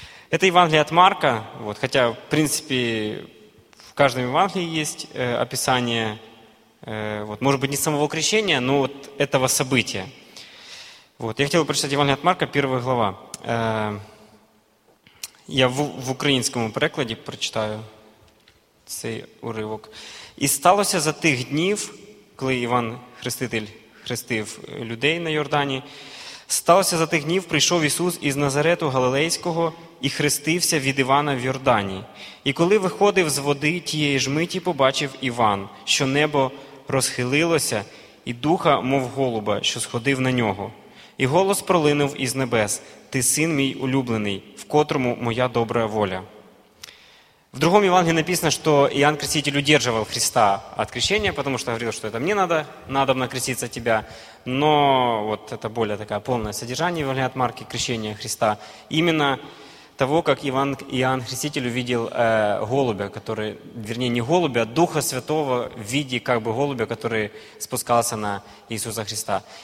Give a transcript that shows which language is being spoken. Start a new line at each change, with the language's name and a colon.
Russian: Это Евангелие от Марка, вот, хотя, в принципе, в каждом Евангелии есть описание, вот, может быть, не самого крещения, но вот этого события. Вот, я хотел бы прочитать Евангелие от Марка, первая глава.
Ukrainian: Я в украинском перекладі прочитаю цей уривок. «І сталося за тих днів, коли Іван Хреститель хрестив людей на Йордані, сталося за тих днів, прийшов Ісус із Назарету Галилейського і хрестився від Івана в Йордані. І коли виходив з води, тієї ж миті побачив Іван, що небо розхилилося, і духа, мов голуба, що сходив на нього. І голос пролинув із небес: «Ти син мій улюблений, в котрому моя добра воля».
Russian: В другом Евангелии написано, что Иоанн Креститель удерживал Христа от крещения, потому что говорил, что это мне надо, надобно креститься тебя. Но вот это более такое полное содержание Евангелия от Марка, крещения Христа. Именно того, как Иоанн Креститель увидел голубя, который, вернее, не голубя, а Духа Святого в виде как бы голубя, который спускался на Иисуса Христа.